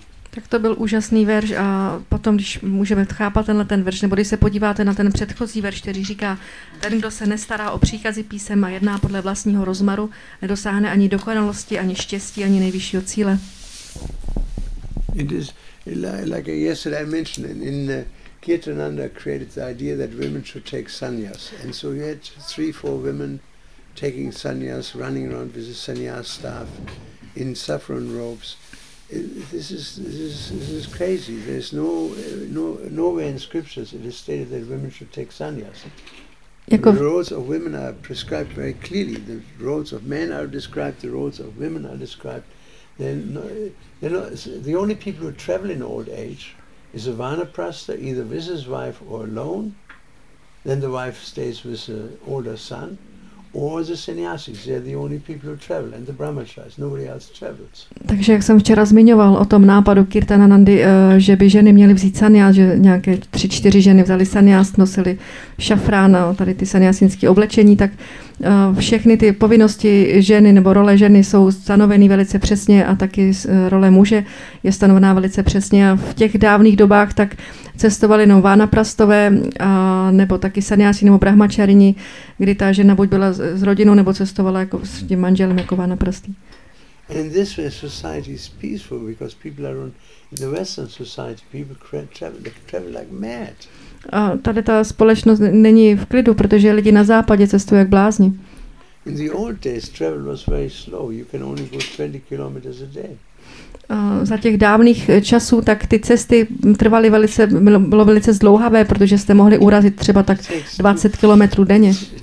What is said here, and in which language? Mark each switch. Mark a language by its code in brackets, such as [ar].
[cs] Tak to byl úžasný verš a potom, když můžeme chápat tenhle ten verš, nebo když se podíváte na ten předchozí verš, který říká, ten, kdo se nestará o příkazy písem a jedná podle vlastního rozmaru, nedosáhne ani dokonalosti, ani štěstí, ani nejvyššího cíle. [en] It is like yesterday I mentioned in Kirtananda created the idea that women should take sannyas. And so you had 3-4 women taking sannyas, running around with a sannyas staff in saffron robes. This is crazy. There's nowhere in scriptures it is stated that women should take sannyas. [cs] Jako [en] the roles of women are prescribed very clearly. The roles of men are described. The roles of women are described. They're not, the only people who travel in old age is a vanaprastha, either with his wife or alone. Then the wife stays with the older son, or the sannyasis. They're the only people who travel, and the brahmacharis. Nobody else travels. [cs] Takže jak jsem včera zmiňoval o tom nápadu Kirtananandy, že by ženy měly vzít sannyas, že nějaké 3-4 ženy vzaly sannyas, nosily šafrán a tady ty sannyasinské oblečení, tak všechny ty povinnosti ženy nebo role ženy jsou stanoveny velice přesně a taky role muže je stanovená velice přesně. A v těch dávných dobách tak cestovali jenom vánaprastové nebo taky sannyasi nebo brahmačarini, kdy ta žena buď byla s rodinou nebo cestovala jako s tím manželem jako vánaprastý. [en] And this way society is peaceful because people are in the Western society, people travel like mad. [cs] A tady ta společnost není v klidu, protože lidi na západě cestují jak blázni. [en] In the old days travel was very slow. You can only go 20 kilometers a day. [cs] Za těch dávných časů tak ty cesty trvaly velice, bylo velice zdlouhavé, protože jste mohli urazit třeba tak 20 kilometrů denně.